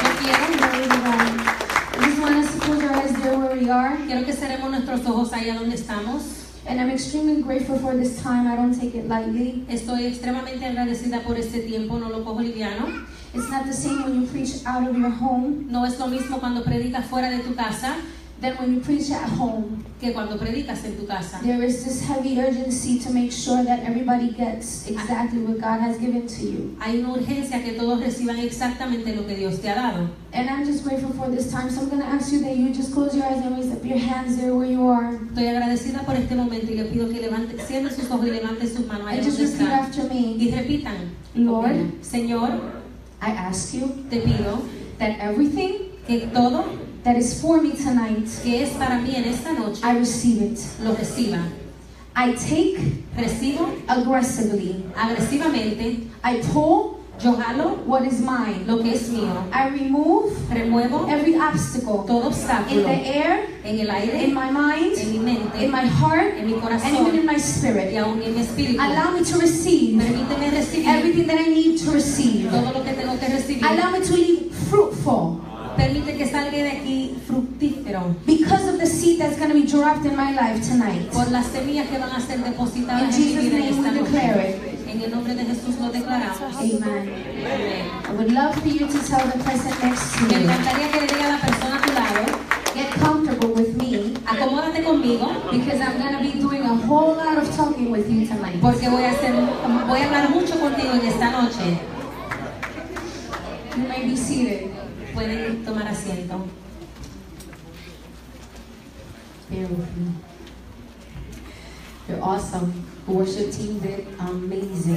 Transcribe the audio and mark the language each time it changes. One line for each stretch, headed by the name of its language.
English: I just want us to close our eyes there where we are.
Spanish: Quiero que cerremos nuestros ojos allá donde estamos.
English: And I'm extremely grateful for this time. I don't take it lightly.
Spanish: Estoy extremadamente agradecida por este tiempo. No lo cojo liviano.
English: It's not the same when you preach out of your home.
Spanish: No es lo mismo cuando predicas fuera de tu casa.
English: Than when you preach at home.
Spanish: Que cuando predicas en tu casa.
English: There is this heavy urgency to make sure that everybody gets exactly what God has given to you.
Spanish: Hay una urgencia que todos reciban exactamente lo que Dios te ha dado.
English: And I'm just grateful for this time, so I'm going to ask you that you just close your eyes and raise up your hands there where you are.
Spanish: Estoy agradecida por este momento y le pido que levante, cierre sus ojos y levante sus manos.
English: And just repeat after me.
Spanish: Y repitan,
English: Lord,
Spanish: Señor,
English: I ask you,
Spanish: te pido,
English: that everything,
Spanish: que todo,
English: that is for me tonight,
Spanish: que es para mí en esta noche,
English: I receive it,
Spanish: lo reciba.
English: I take,
Spanish: recibo,
English: aggressively,
Spanish: agresivamente.
English: I pull,
Spanish: yo jalo,
English: what is mine,
Spanish: lo que es mío.
English: I remove,
Spanish: remuevo,
English: every obstacle,
Spanish: todo obstáculo,
English: in the air,
Spanish: en el aire,
English: in my mind,
Spanish: en mi mente,
English: in my heart,
Spanish: en mi corazón,
English: and even in my spirit,
Spanish: y aun en mi espíritu.
English: Allow me to receive,
Spanish: permíteme recibir,
English: everything that I need to receive,
Spanish: todo lo que tengo que recibir.
English: Allow me to be fruitful,
Spanish: permite que salga de aquí fructífero.
English: Because of the seed that's going to be dropped in my life tonight,
Spanish: por las semillas que van a ser depositadas
English: en Jesus' name,
Spanish: esta
English: we declare it.
Spanish: En el nombre de Jesús lo declaramos.
English: Amen. I would love for you to tell the person next to you.
Spanish: Me encantaría que le diga a la persona a tu lado.
English: Get comfortable with me.
Spanish: Acomódate conmigo.
English: Because I'm going to be doing a whole lot of talking with you tonight.
Spanish: Porque voy a hablar mucho contigo en esta noche.
English: You may be seated.
Spanish: Pueden tomar asiento.
English: You're awesome. The worship team did amazing.